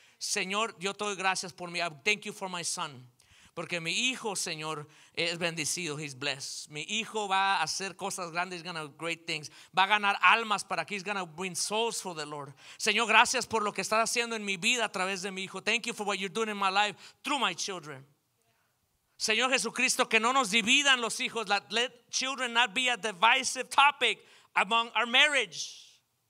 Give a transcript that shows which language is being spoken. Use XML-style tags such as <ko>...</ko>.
<es>Señor, yo te doy gracias por mi,</es> <en>thank you for my son,</en> <es>porque mi hijo, Señor, es bendecido,</es> <en>he's blessed.</en> <es>Mi hijo va a hacer cosas grandes,</es> <en>he's gonna do great things.</en> <es>Va a ganar almas para que</es> <en>he's gonna win souls for the Lord.</en> <es>Señor, gracias por lo que estás haciendo en mi vida a través de mi hijo.</es> <en>Thank you for what you're doing in my life through my children.</en> <es>Señor Jesucristo, que no nos dividan los hijos.</es> <en>Let children not be a divisive topic among our marriage.</en>